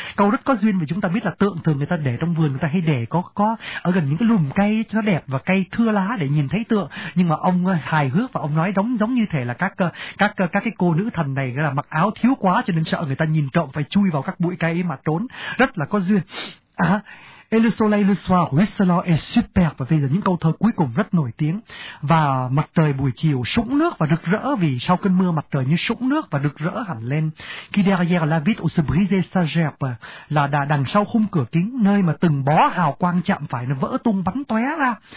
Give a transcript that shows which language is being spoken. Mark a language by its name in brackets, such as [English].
[Vietnamese] Câu rất có duyên vì chúng ta biết là tượng thường người ta để trong vườn, người ta hay để có ở gần những cái lùm cây cho nó đẹp và cây thưa lá để nhìn thấy tượng. Nhưng mà ông hài hước và ông nói giống như thể là các cái cô nữ thần này là mặc áo thiếu quá cho nên sợ người ta nhìn trộm phải chui vào các bụi cây mà trốn, rất là có duyên. [French] Et le soleil le soir ruisselant est superbe. [Vietnamese] Và bây giờ những câu thơ cuối cùng rất nổi tiếng. Và mặt trời buổi chiều sũng nước và rực rỡ, vì sau cơn mưa mặt trời như sũng nước và rực rỡ hẳn lên. [French] Qui derrière la vitre où se brisait sa gerbe, [Vietnamese] là đằng sau khung cửa kính nơi mà từng bó hào quang chạm phải nó vỡ tung bắn tóe ra.